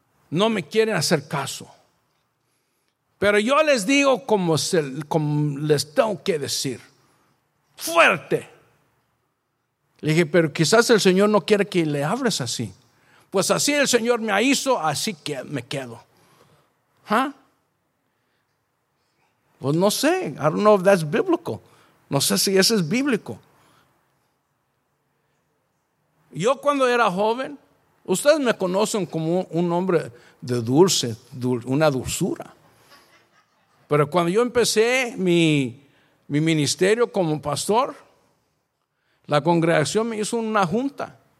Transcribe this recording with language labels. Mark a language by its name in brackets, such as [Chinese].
[Spanish] No me quieren hacer caso. Pero yo les digo como les tengo que decir. Fuerte. Le dije, pero quizás el Señor no quiere que le hables así. Pues así el Señor me hizo, así que me quedo. ¿Huh? Pues no sé, [English] I don't know if that's biblical. [Spanish] No sé si eso es bíblico. Yo cuando era joven, ustedes me conocen como un hombre de dulce, una dulzura. Pero cuando yo empecé mi ministerio como pastor, la congregación me hizo una junta.